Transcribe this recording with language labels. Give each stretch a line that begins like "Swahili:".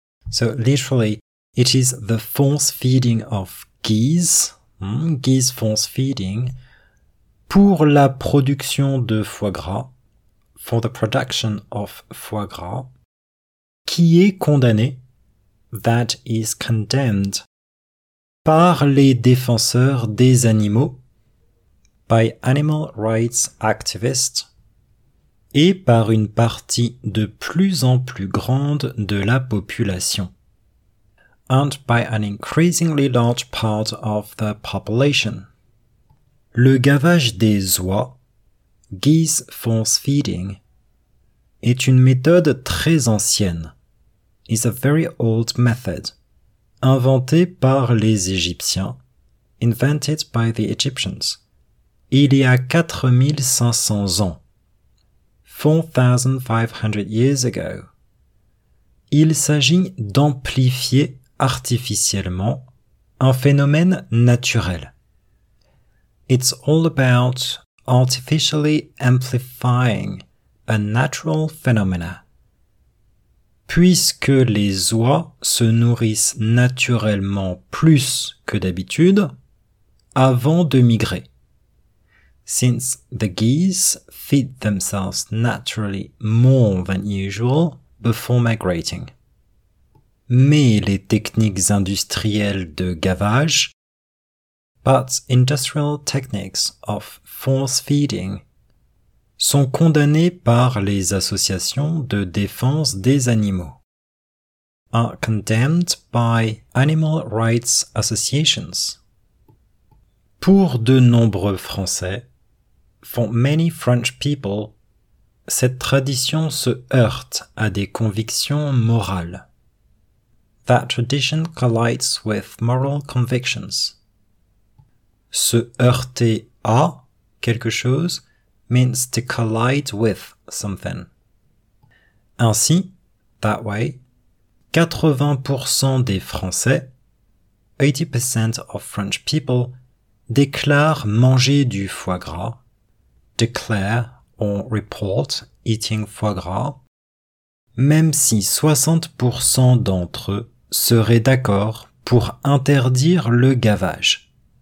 English: So literally, it is the force feeding of geese. Geese force feeding.
French: Pour la production de foie gras.
English: For the production of foie gras.
French: Qui est condamné.
English: That is condemned.
French: Par les défenseurs des animaux.
English: by animal rights activists
French: et par une partie de plus en plus grande de la population.
English: And by an increasingly large part of the population.
French: Le gavage des oies,
English: geese force feeding,
French: est une méthode très ancienne,
English: is a very old method,
French: inventée par les Égyptiens,
English: invented by the Egyptians,
French: il y a 4500 ans,
English: 4500 years ago.
French: Il s'agit d'amplifier artificiellement un phénomène naturel.
English: It's all about artificially amplifying a natural phenomena.
French: Puisque les oies se nourrissent naturellement plus que d'habitude avant de migrer.
English: Since the geese feed themselves naturally more than usual before migrating.
French: Mais les techniques industrielles de gavage,
English: but industrial techniques of force feeding,
French: sont condamnées par les associations de défense des animaux,
English: are condemned by animal rights associations.
French: Pour de nombreux Français,
English: for many French people,
French: cette tradition se heurte à des convictions morales.
English: That tradition collides with moral convictions.
French: Se heurter à quelque chose
English: means to collide with something.
French: Ainsi,
English: that way,
French: 80% des Français,
English: 80% of French people,
French: déclarent manger du foie gras,
English: declare or report eating foie gras,
French: même si 60% d'entre eux seraient d'accord pour interdire le gavage.